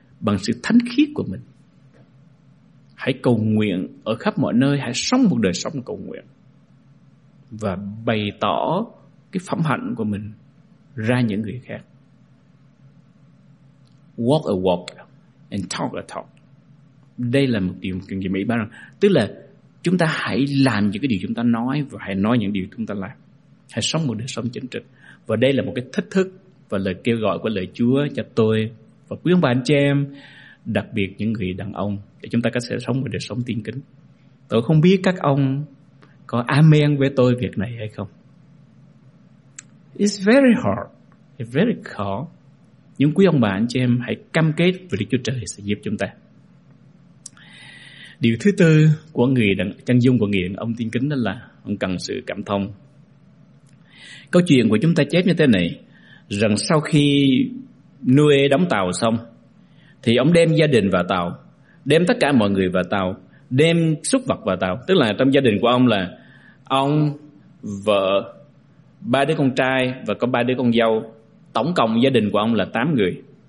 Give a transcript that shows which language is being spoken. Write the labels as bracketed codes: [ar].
[vi] bằng sự thánh khiết của mình. Hãy cầu nguyện ở khắp mọi nơi, hãy sống một đời sống cầu nguyện và bày tỏ cái phẩm hạnh của mình ra những người khác. [en] Walk a walk and talk a talk. [vi] Đây là một điều kinh nghiệm ý bác rằng, tức là chúng ta hãy làm những cái điều chúng ta nói và hãy nói những điều chúng ta làm. Hãy sống một đời sống chính trực. Và đây là một cái thách thức và lời kêu gọi của lời Chúa cho tôi và quý ông bà anh chị em, đặc biệt những người đàn ông, để chúng ta có thể sống một đời sống tiên kính. Tôi không biết các ông có amen với tôi việc này hay không. [en] It's very hard, it's very khó. [vi] Nhưng quý ông bà anh chị em hãy cam kết với Đức Chúa Trời sẽ giúp chúng ta. Điều thứ tư của người đàn, chân dung của người đàn ông tiên kính đó là ông cần sự cảm thông. Câu chuyện của chúng ta chép như thế này, rằng sau khi Noe đóng tàu xong thì ông đem gia đình vào tàu, đem tất cả mọi người vào tàu, đem súc vật vào tàu, tức là trong gia đình của ông là ông, vợ, ba đứa con trai và có ba đứa con dâu, tổng cộng gia đình của ông là 8 người.